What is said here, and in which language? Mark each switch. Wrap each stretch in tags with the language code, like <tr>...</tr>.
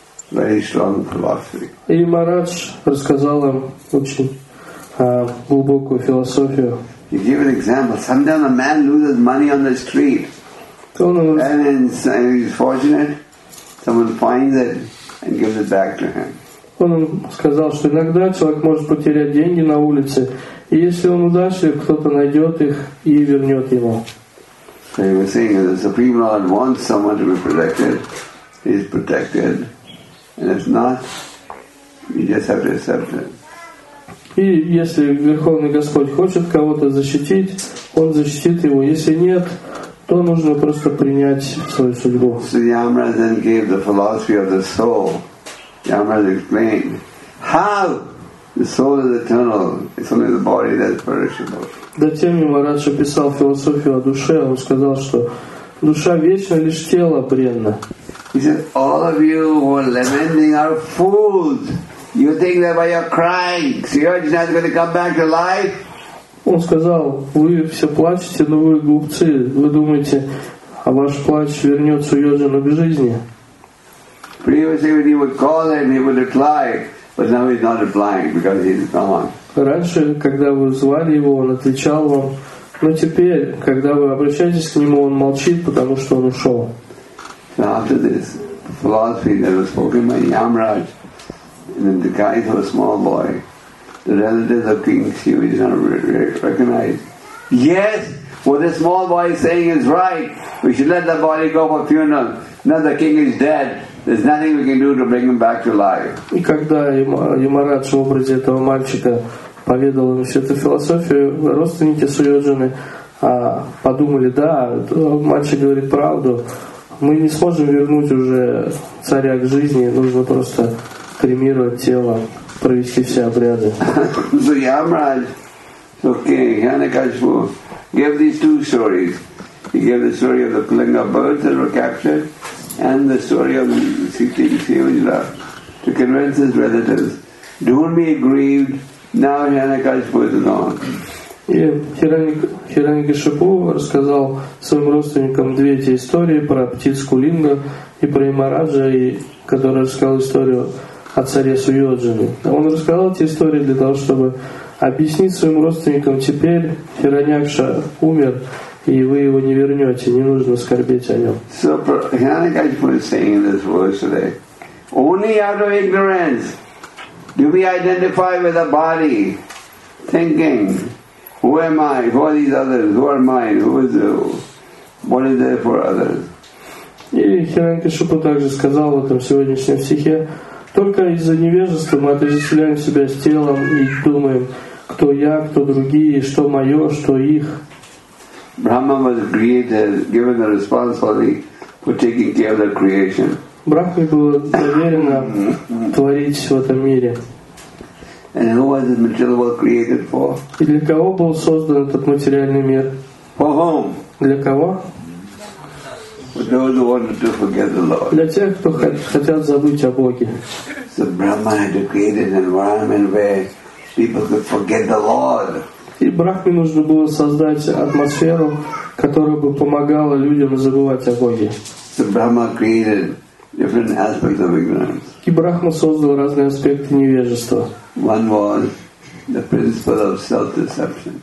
<ru>И Ямарадж рассказал им очень глубокую философию.</ru> <en>He gave an example. Sometimes a man loses money on the street. And then he's fortunate, someone finds it and gives it back to him.</en> <ru>Он сказал, что иногда человек может потерять деньги на улице, и если он удачлив, кто-то найдет их и вернет ему.</ru> <en>So he was saying, if the Supreme Lord wants someone to be protected, he is protected. And if not, you just have to accept it.</en> <ru>И если Верховный Господь хочет кого-то защитить, Он защитит его. Если нет, то нужно просто принять свою судьбу.</ru> <en>So Yamaraj then gave the philosophy of the soul. Yamaraj explained how the soul is eternal. It's only the body that's perishable.</en> <ru>Затем Yamaraj описал философию о душе. Он сказал, что душа вечна, лишь тело бренно.</ru> <en>He said, all of you who are lamenting are fools. You think that by your crying, Sri not going to come back to life?</en> <ru>Он сказал, вы все плачете, но вы глупцы. Вы думаете, а ваш плач вернет Суёджину к жизни? Раньше, когда вы звали его, он отвечал вам. Но теперь, когда вы обращаетесь к нему, он молчит, потому что он ушел.</ru> <en>After this philosophy that was spoken by Yamaraj in the disguise of a small boy, the relatives of King Sri did not recognize. Yes, what the small boy is saying is right. We should let the body go for funeral. Now the king is dead. There's nothing we can do to bring him back to life.</en> <ru>И когда Yamaraj в образе этого мальчика поведал им всю эту философию, родственники Суёджины подумали, да, мальчик говорит правду. Мы не сможем вернуть уже царя к жизни. Нужно просто кремировать тело. Провести все обряды.</ru> <en>So Yamaraj, okay, Hiranyakashipu, gave these two stories. He gave the story of the Kalinga birds that were captured and the story of King Sivajra to convince his relatives, don't be aggrieved, now Hiranyakashipu is gone.</en> <ru>И Хираньякашипу рассказал своим родственникам две эти истории про птиц Кулинга и про Ямараджа, который рассказал историю о царе Суёджине. Он рассказал эти истории для того, чтобы объяснить своим родственникам, теперь Хираньякша умер, и вы его не вернете, не нужно скорбеть о нем.</ru> <en>So Хираньякашипу is saying in this verse today, only out of ignorance do we identify with a body thinking, who am I? Who are these others? Who are mine? Who is who? What is there for others?</en> <ru>И Хиранькашипу также сказал в этом сегодняшнем стихе, только из-за невежества мы отождествляем себя с телом и думаем, кто я, кто другие, что мое, что их.</ru> <en>Brahma was created, given the responsibility for taking care of the creation.</en> <ru>Брахме было доверено творить в этом мире.</ru> <en>And who was this material world created for?</en> <ru>И для кого был создан этот материальный мир?</ru> <en>For whom?</en> <ru>Для кого?</ru> <en>For those who wanted to forget the Lord.</en> <ru>Для тех, кто хотят забыть о Боге.</ru> <en>So Brahma had to create an environment where people could forget the Lord.</en> <ru>И Брахме нужно было создать атмосферу, которая бы помогала людям забывать о Боге.</ru> <en>So Brahma created different aspects of ignorance.</en> <ru>И Брахма создал разные аспекты невежества.</ru> <en>One was the principle of self-deception.</en>